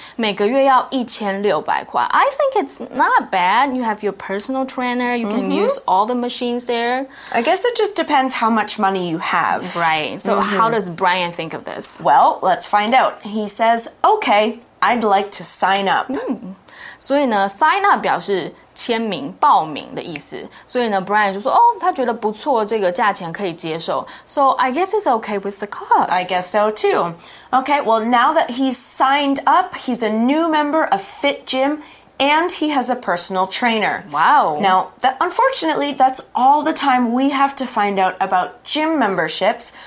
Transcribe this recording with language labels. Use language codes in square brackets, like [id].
[zh] 每个月要1,600块 [en] I think it's not bad. You have your personal trainer. You can use all the machines there. I guess it just depends how much money you have. Right. So how does Brian think of this? Well, let's find out. He says, okay, I'd like to sign up. [zh] So, sign up 表示签名、报名的意思。所以呢 ，Brian 就说：“哦，他觉得不错，这个价钱可以接受。” [en] So I guess it's okay with the cost. I guess so too. Okay, well now that he's signed up, he's a new member of Fit Gym, and he has a personal trainer. Wow. Now, unfortunately, that's all the time we have to find out about gym memberships.